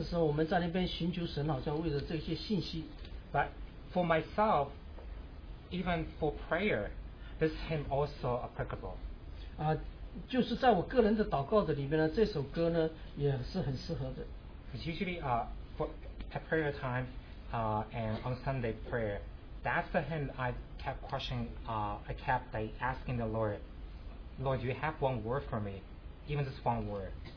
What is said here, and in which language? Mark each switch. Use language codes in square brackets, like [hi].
[zh] 这首诗歌乃是我们来唱的时候，我们在那边寻求神，好像为了这些信息。 [en] But for myself, even for prayer, this hymn also applicable. [zh] 就是在我个人的祷告的里面呢，这首歌呢也是很适合的。 [en] Usually, for at prayer time, and on Sunday prayer, that's the hymn I kept questioning. I kept asking the Lord, "Lord, you have one word for me, even just one word."